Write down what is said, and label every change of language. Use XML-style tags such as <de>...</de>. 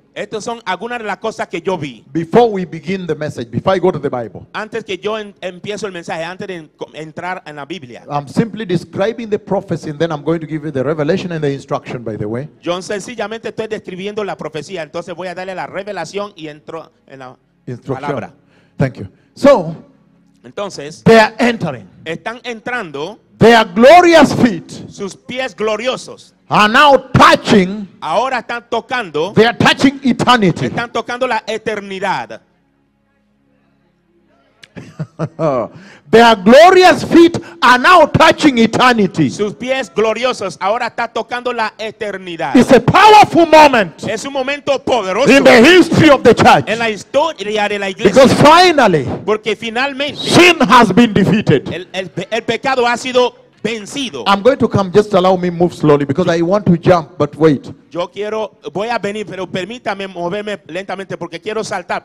<es>Estos son algunas de las cosas que yo vi.</es> <en>Before we begin the message, before I go to the Bible,</en> <es>antes que yo empiezo el mensaje, antes de entrar en la Biblia,</es> <en>I'm simply describing the prophecy, and then I'm going to give you the revelation and the instruction. By the way,</en> <es>yo sencillamente estoy describiendo la profecía, entonces voy a darle la revelación y entro en la</es> <en>instruction.</en> <es>Palabra.</es> <en>Thank you. So,</en> <es>entonces,</es> <en>they are entering.</en> <es>Están entrando.</es> <en>Their glorious feet,</en> <es>sus pies gloriosos,</es> <en>are now touching.</en> <es>Ahora están tocando.</es> <en>They are touching eternity.</en> <es>Están tocando la eternidad.</es> <en>Their glorious feet are now touching eternity.</en> <es>Sus pies gloriosos ahora están tocando la eternidad.</es> <en>It's a powerful moment.</en> <es>Es un momento poderoso.</es> <en>In the history of the church.</en> <es>En la historia de la iglesia.</es> <en>Because finally,</en> <es>porque finalmente,</es> <en>sin has been defeated.</en> <es>El pecado ha sido vencido.</es> <en>I'm going to come. Just allow me move slowly because I want to jump. But wait.</en> <es>Yo quiero, voy a venir, pero permítame moverme lentamente porque quiero saltar.</es>